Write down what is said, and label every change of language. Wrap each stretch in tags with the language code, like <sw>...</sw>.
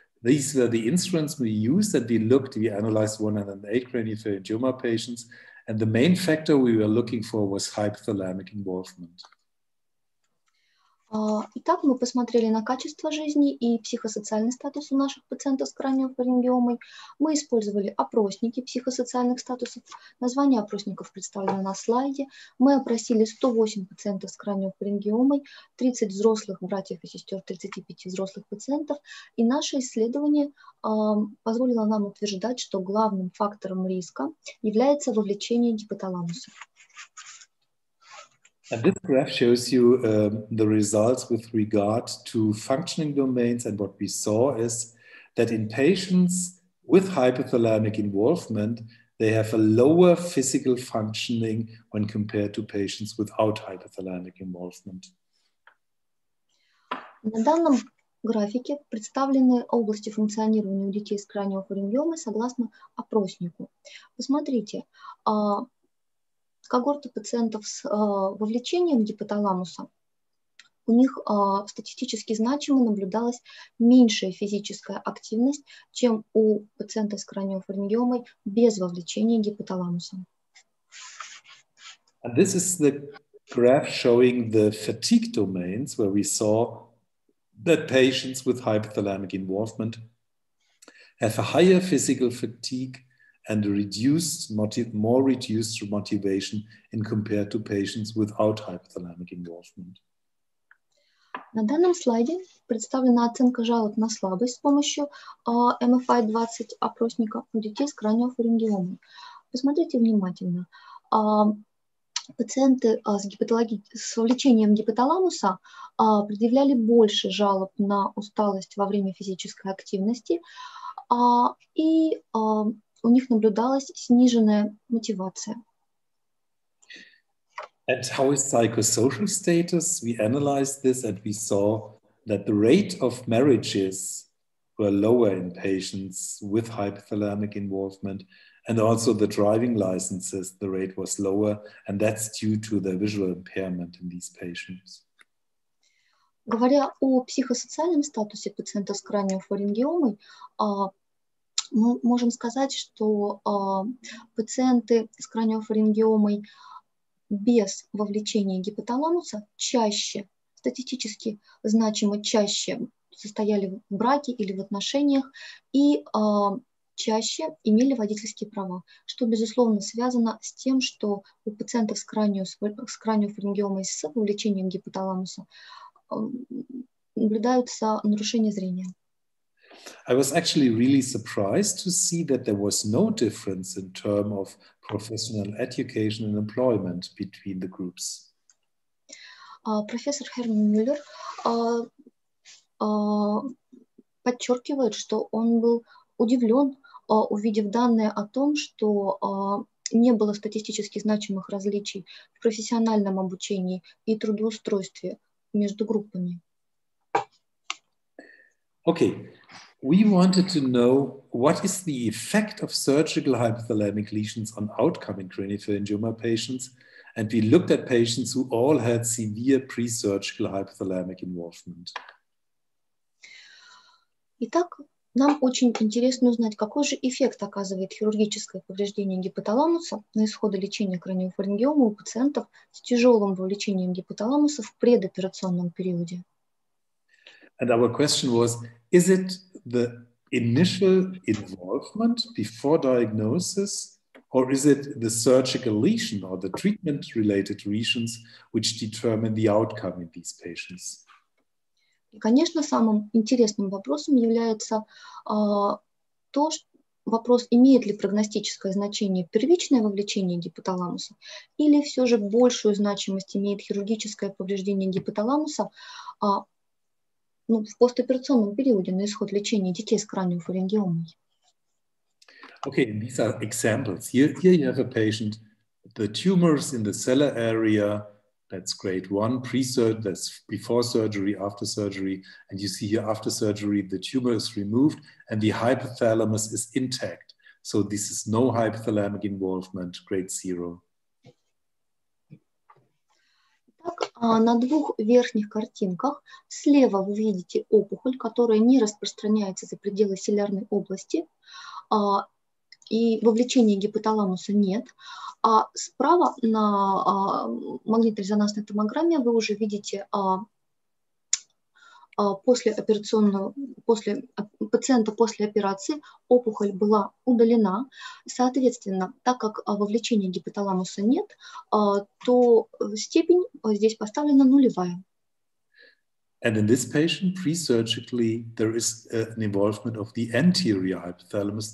<en>These were the instruments we used, and we analyzed 108 craniopharyngioma patients, and the main factor we were looking for was hypothalamic involvement.</en> <ru>Итак, мы посмотрели на качество жизни и психосоциальный статус у наших пациентов с краниофарингиомой. Мы использовали опросники психосоциальных статусов. Название опросников представлено на слайде. Мы опросили 108 пациентов с краниофарингиомой, 30 взрослых братьев и сестер, 35 взрослых пациентов. И наше исследование позволило нам утверждать, что главным фактором риска является вовлечение гипоталамуса.</ru> <en>And this graph shows you the results with regard to functioning domains. And what we saw is that in patients with hypothalamic involvement, they have a lower physical functioning when compared to patients without hypothalamic involvement.</en> <ru>На данном графике представлены области функционирования у детей с краниофарингиомой согласно опроснику. Посмотрите. Когорта пациентов с вовлечением гипоталамуса, у них статистически значимо наблюдалась меньшая физическая активность, чем у пациентов с краниофарингиомой без вовлечения гипоталамуса.</ru> <en>And this is the graph showing the fatigue domains, where we saw that patients with hypothalamic involvement have a higher physical fatigue and more reduced motivation in compared to patients without hypothalamic involvement.</en> <ru>На данном слайде представлена оценка жалоб на слабость с помощью MFI-20 опросника у детей с краниофарингиомой. Посмотрите внимательно. Пациенты с вовлечением гипоталамуса предъявляли больше жалоб на усталость во время физической активности у них наблюдалась сниженная мотивация.</ru> <en>And how is psychosocial status? We analyzed this and we saw that the rate of marriages were lower in patients with hypothalamic involvement, and also the driving licenses, the rate was lower, and that's due to the visual impairment in these patients.</en> <ru>Говоря о психосоциальном статусе пациентов с краниофарингиомой, мы можем сказать, что пациенты с краниофарингиомой без вовлечения гипоталамуса чаще, статистически значимо чаще состояли в браке или в отношениях и чаще имели водительские права, что, безусловно, связано с тем, что у пациентов с краниофарингиомой с вовлечением гипоталамуса наблюдаются нарушения зрения.</ru> <en>I was actually really surprised to see that there was no difference in terms of professional education and employment between the groups.</en> <ru>Профессор Херман Мюллер подчеркивает, что он был удивлен, увидев данные о том, что не было статистически значимых различий в профессиональном обучении и трудоустройстве между группами.</ru> <en>Okay, we wanted to know what is the effect of surgical hypothalamic lesions on outcome in craniopharyngioma patients, and we looked at patients who all had severe pre-surgical hypothalamic involvement.</en> <ru>Итак, нам очень интересно узнать, какой же эффект оказывает хирургическое повреждение гипоталамуса на исходы лечения краниофарингиомы у пациентов с тяжелым вовлечением гипоталамуса в предоперационном периоде.</ru> <en>And our question was, is it the initial involvement before diagnosis, or is it the surgical lesion or the treatment-related lesions which determine the outcome in these patients?</en> <ru>И, конечно, самым интересным вопросом является то, что вопрос, имеет ли прогностическое значение первичное вовлечение гипоталамуса, или все же большую значимость имеет хирургическое повреждение гипоталамуса в постоперационном периоде на исход лечения детей с краниофарингиомой.</ru> <en>Okay, these are examples. Here you have a patient, the tumors in the cellar area. That's grade one, pre-surgery, that's before surgery, after surgery. And you see here after surgery, the tumor is removed and the hypothalamus is intact. So this is no hypothalamic involvement, grade zero.</en> <ru>Итак, на двух верхних картинках слева вы видите опухоль, которая не распространяется за пределы селярной области, и вовлечения гипоталамуса нет. А справа на магнитно-резонансной томограмме вы уже видите пациента после операции опухоль была удалена. Соответственно, так как вовлечения гипоталамуса нет, то степень здесь поставлена нулевая.</ru> <en>And in this patient, pre-surgically, there is an involvement of the anterior hypothalamus.</en>